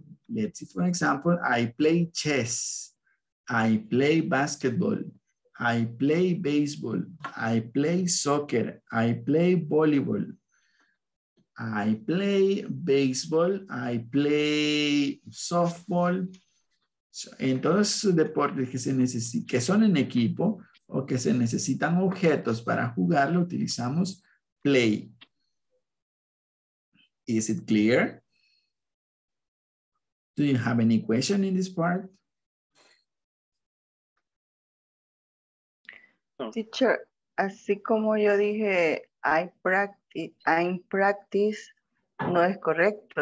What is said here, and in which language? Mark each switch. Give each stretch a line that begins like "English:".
English: Let's see, for example, I play chess, I play basketball, I play baseball, I play soccer, I play volleyball, I play baseball, I play softball.
Spanish: En todos esos deportes que se necesitan, que son en equipo o que se necesitan objetos para jugarlo, utilizamos play.
English: Is it clear? Do you have any question in this part?
Spanish: Teacher, así como yo dije,
English: I practice,
Spanish: no es correcto.